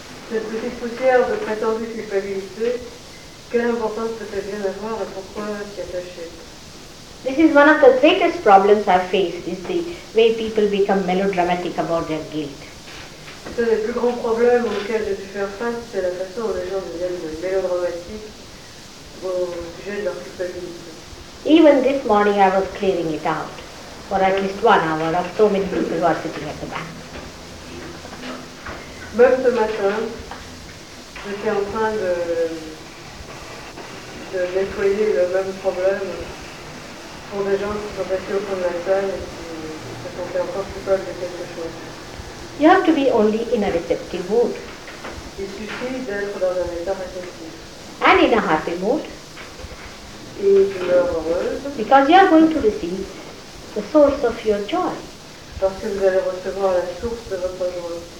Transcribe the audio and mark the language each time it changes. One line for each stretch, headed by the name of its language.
French: Cette petite poussière de prétendue culpabilité. Quelle importance peut-elle bien avoir et pourquoi s'y attacher?
English: This is one of the greatest problems I've faced, is the way people become melodramatic about their guilt.
French: C'est le plus grand problème auquel j'ai pu faire face, c'est la façon dont les gens deviennent mélodramatiques au sujet de leur culpabilité.
English: Even this morning I was clearing it out for at least 1 hour of so many people who are sitting at the back.
French: Même ce matin, j'étais en train de nettoyer le même problème pour des gens qui sont restés au fond de la salle et qui se sentaient encore coupables de quelque chose.
English: You have to be only in a receptive mood.
French: Il suffit d'être dans un état réceptif.
English: And in a happy mood.
French: Et d'une heure heureuse.
English: Because you are going to receive the source of your joy.
French: Parce que vous allez recevoir la source de votre joie.